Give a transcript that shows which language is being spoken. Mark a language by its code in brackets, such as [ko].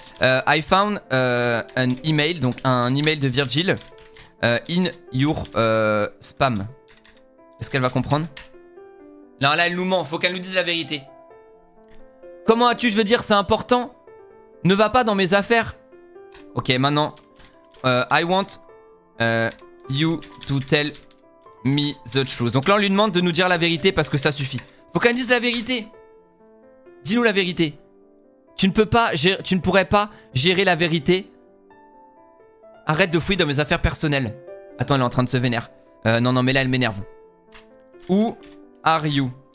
[fr] I found an email, donc un email de Virgil in your spam. Est-ce qu'elle va comprendre? Non, là, elle nous ment. Faut qu'elle nous dise la vérité. Comment as-tu, je veux dire, c'est important. Ne va pas dans mes affaires. Ok, maintenant. [en] I want you to tell me the truth. [fr] Donc là, on lui demande de nous dire la vérité parce que ça suffit. Faut qu'elle nous dise la vérité. Dis-nous la vérité. Tu ne pourrais pas gérer la vérité. Arrête de fouiller dans mes affaires personnelles. Attends, elle est en train de se vénère. Non, non, mais là, elle m'énerve. Où are you?